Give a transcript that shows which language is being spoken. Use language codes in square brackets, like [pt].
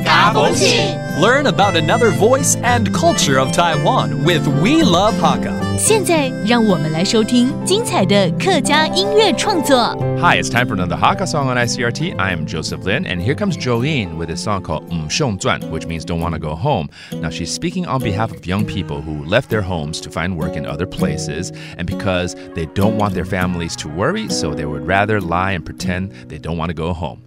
[en] Learn about another voice and culture of Taiwan with We Love Hakka. [zh] 现在让我们来收听精彩的客家音乐创作。 [en] Hi, it's time for another Hakka song on ICRT. I am Joseph Lin, and here comes Jolin with a song called 'Mshong Zuan, which means don't want to go home. Now, she's speaking on behalf of young people who left their homes to find work in other places, and because they don't want their families to worry, so they would rather lie and pretend they don't want to go home.